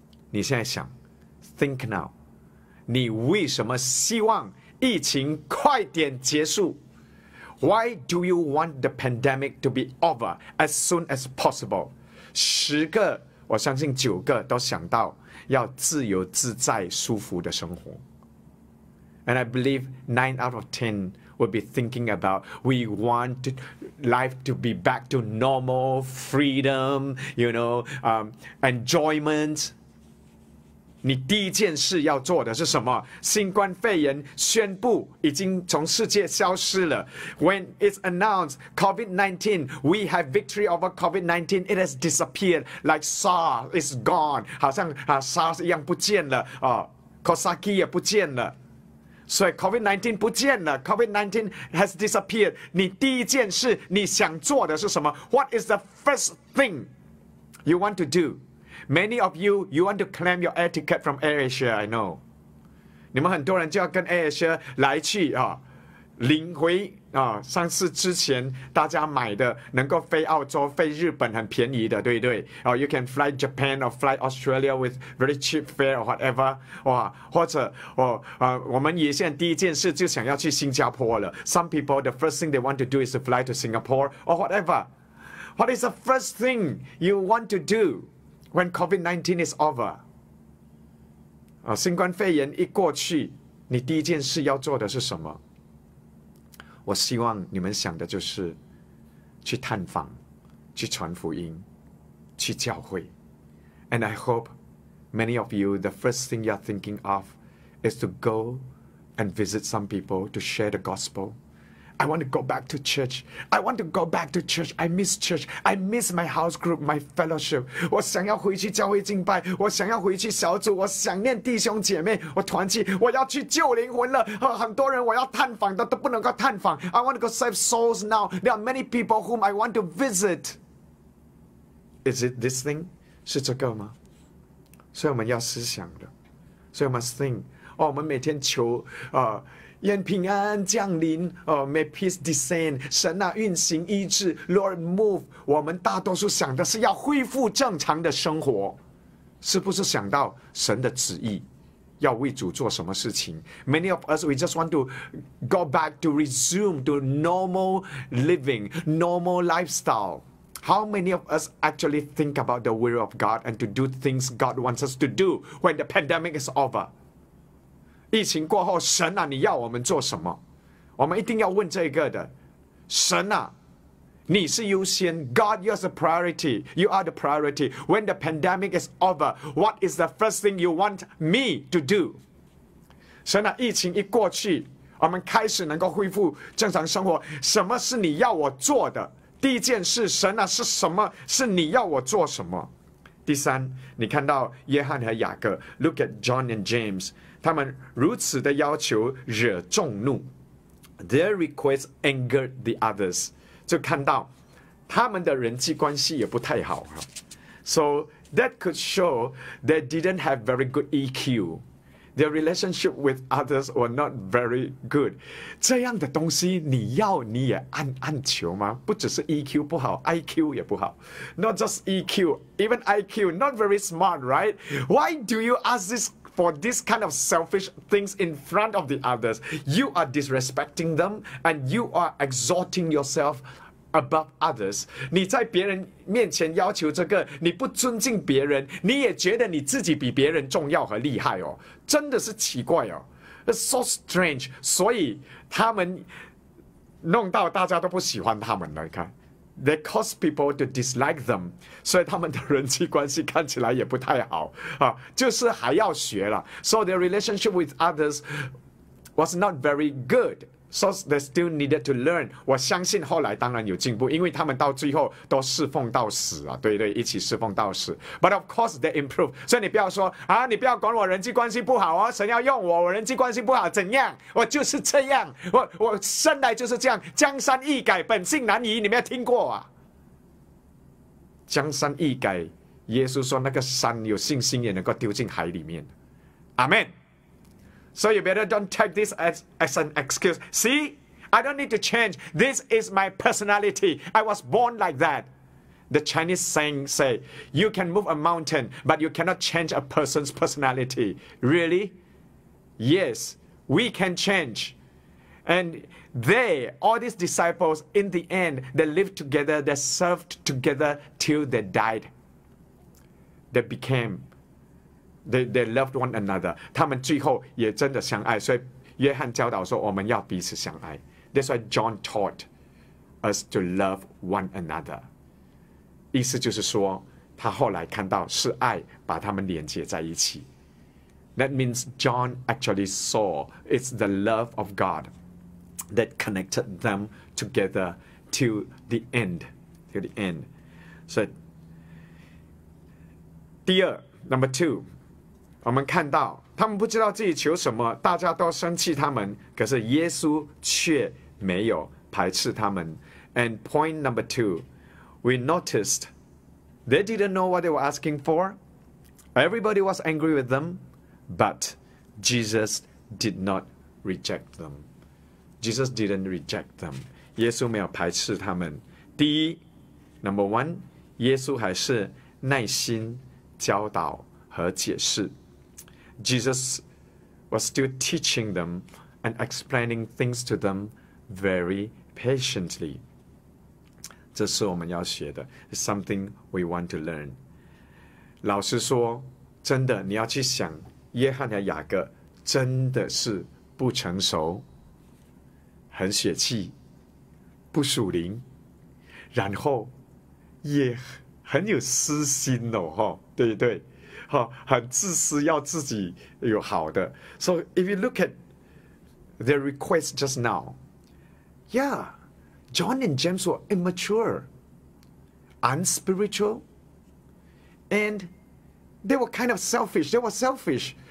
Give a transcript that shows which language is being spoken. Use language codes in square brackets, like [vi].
[zh] 你现在想 [en] ，think now， [zh] 你为什么希望疫情快点结束 [en] ？Why do you want the pandemic to be over as soon as possible? [zh] 十个，我相信九个都想到要自由自在、舒服的生活。 [en] And I believe 9 out of 10 will be thinking about we want life to be back to normal, freedom, you know, enjoyment. [zh] 你第一件事要做的是什么？新冠肺炎宣布已经从世界消失了。 [en] When it's announced COVID-19, we have victory over COVID-19. It has disappeared like SARS is gone. [zh] 好像啊 SARS 一样不见了啊 ，Kawasaki 也不见了。所以 COVID-19 不见了 ， [en] COVID-19 has disappeared。 [zh] 你第一件事你想做的是什么 [en] ？What is the first thing you want to do? Many of you, you want to claim your air ticket from AirAsia. I know， [zh] 你们很多人就要跟 AirAsia 来去啊，领回啊，上次之前大家买的能够飞澳洲、飞日本很便宜的，对不对？ [en] 啊 ，You can fly Japan or fly Australia with very cheap fare or whatever。 [zh] 哇，或者哦啊，我们也现在第一件事就想要去新加坡了。 [en] Some people the first thing they want to do is to fly to Singapore or whatever。 What is the first thing you want to do when COVID-19 is over？ [zh] 啊，新冠肺炎一过去，你第一件事要做的是什么？我希望你们想的就是去探访，去传福音，去教会。 [en] And I hope many of you, the first thing you're thinking of is to go and visit some people to share the gospel. I want to go back to church. I want to go back to church. I miss church. I miss my house group, my fellowship. [zh] 我想要回去教会敬拜，我想要回去小组，我想念弟兄姐妹，我团契，我要去救灵魂了。很多人我要探访的都不能够探访。 [en] I want to go save souls now. There are many people whom I want to visit. Is it this thing? [zh] 是这个吗？所以我们要思想的。所以 [en] must think. [zh] 哦，我们每天求愿平安降临、 [en] oh, May peace descend [zh] 神啊运行医治 [en] Lord move [zh] 我们大多数想的是要恢复正常的生活是不是想到神的旨意要为主做什么事情？ [en] Many of us, we just want to go back to resume to normal living, normal lifestyle. How many of us actually think about the will of God and to do things God wants us to do when the pandemic is over? [zh] 疫情过后，神啊，你要我们做什么？我们一定要问这个的。神啊，你是优先。 [en] God, you're the priority. You are the priority. When the pandemic is over, what is the first thing you want me to do? [zh] 神啊，疫情一过去，我们开始能够恢复正常生活，什么是你要我做的第一件事？神啊，是什么？是你要我做什么？第三，你看到约翰和雅各， [en] Look at John and James， [zh] 他们如此的要求惹众怒。 [en] Their requests angered the others， [zh] 就看到他们的人际关系也不太好。 [en] So that could show they didn't have very good EQ. Their relationship with others were not very good. [zh] 这样的东西你要你也暗求吗？不只是 EQ 不好， IQ 也不好。 [en] Not just EQ, even IQ, not very smart, right? Why do you ask this for this kind of selfish things in front of the others? You are disrespecting them and you are exalting yourselfabove others. [zh] 你在别人面前要求这个，你不尊敬别人，你也觉得你自己比别人重要和厉害哦，真的是奇怪哦。 [en] It's so strange. [zh] 所以他们弄到大家都不喜欢他们了，你看。 [en] They cause people to dislike them. [zh] 所以他们的人际关系看起来也不太好，就是还要学了。 [en] So their relationship with others was not very good. So they still needed to learn. [zh] 我相信后来当然有进步，因为他们到最后都侍奉到死啊，对对，一起侍奉到死。 [en] But of course they improved. [zh] 所以你不要说啊，你不要管我人际关系不好哦，神要用我，我人际关系不好怎样？我就是这样，我生来就是这样。江山易改，本性难移，你没有听过啊？江山易改，耶稣说那个山有信心也能够丢进海里面。 [en] Amen. So you better don't take this as an excuse. See, I don't need to change. This is my personality. I was born like that. The Chinese saying say, you can move a mountain, but you cannot change a person's personality. Really? Yes, we can change. And they, all these disciples, in the end, they lived together, they served together till they died. They became... They loved one another. [zh] 他们最后也真的相爱，所以约翰教导说我们要彼此相爱。 [en] That's why John taught us to love one another. [zh] 意思就是说他后来看到是爱把他们连接在一起。 [en] That means John actually saw it's the love of God that connected them together till the end. Till the end. [zh] 所以第二 [en] Number two, [zh] 我们看到他们不知道自己求什么，大家都生气他们，可是耶稣却没有排斥他们。 [en] And point number two, we noticed they didn't know what they were asking for. Everybody was angry with them, but Jesus did not reject them. Jesus didn't reject them. [zh] 耶稣没有排斥他们。第一 [en] number one, [zh] 耶稣还是耐心教导和解释。 [en] Jesus was still teaching them and explaining things to them very patiently. [zh] 这是我们要学的， [en] something we want to learn. [zh] 老实说，真的，你要去想，约翰和雅各真的是不成熟，很血气，不属灵，然后也很有私心哦，对对对。很自私，要自己有好的。 [en] So if you look at their request just now, yeah, John and James were immature, unspiritual, and they were kind of selfish. They were selfish.